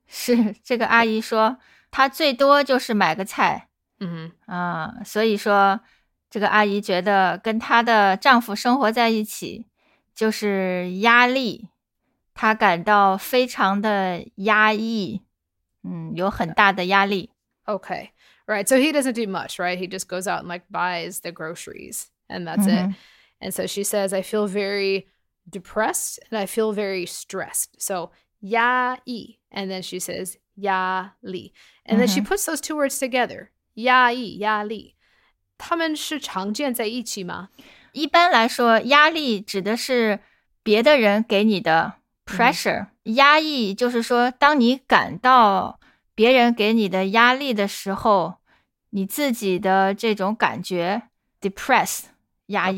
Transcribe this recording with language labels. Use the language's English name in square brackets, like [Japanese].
[Chinese] 是，这个阿姨说，她最多就是买个菜。嗯。啊，所以说，这个阿姨觉得跟她的丈夫生活在一起，就是压力。她感到非常的压抑，嗯，有很大的压力。 [English] Okay, right. So he doesn't do much, right? He just goes out and like buys the groceries and that's it. And so she says, I feel very depressed and I feel very stressed. So 压抑, and then she says 压力. And then she puts those two words together, 压抑, 压力. [Chinese] 他们是常见在一起吗？一般来说，压力指的是别的人给你的。 Pressure,压抑就是说当你感到别人给你的压力的时候，你自己的这种感觉 depressed, 压抑。